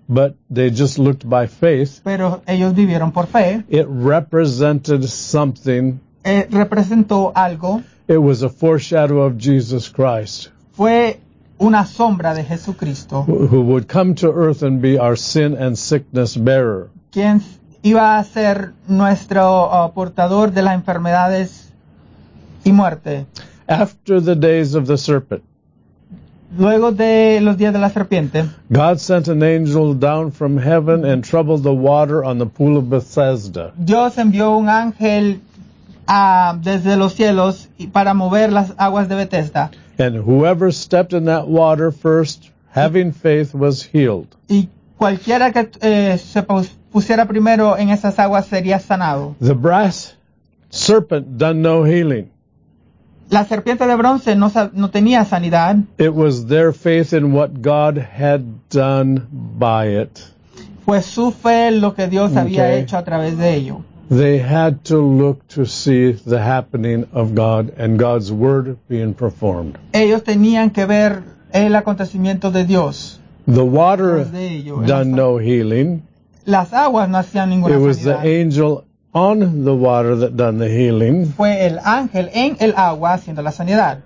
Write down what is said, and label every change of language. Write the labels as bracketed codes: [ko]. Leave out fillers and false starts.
[en] But they just looked by faith. [es] Pero ellos vivieron por fe. [en] It represented something. [es] Representó algo. [en] It was a foreshadow of Jesus Christ. [es] Fue una sombra de Jesucristo. [en] Who would come to earth and be our sin and sickness bearer. [es] Quien iba a ser nuestro portador de las enfermedades y muerte. [en] After the days of the serpent, [es] luego de los días de la serpiente, [en] God sent an angel down from heaven and troubled the water on the pool of Bethesda. [es] Dios envió un ángel desde los cielos para mover las aguas de Bethesda. [en] And whoever stepped in that water first, having faith, was healed. [es] Y cualquiera que se pusiera primero en esas aguas sería sanado. [en] The brass serpent done no healing. [es] La serpiente de bronce no tenía sanidad. [en] It was their faith in what God had done by it. [es] Fue su fe lo que Dios okay. había hecho a través de ello. [en] They had to look to see the happening of God and God's word being performed. [es] Ellos tenían que ver el acontecimiento de Dios. [en] The water [es] de ello, [en] done no healing. [es] Las aguas no hacían ninguna sanidad. [en] It was the angel on the water that done the healing. [es] Fue el ángel en el agua haciendo la sanidad.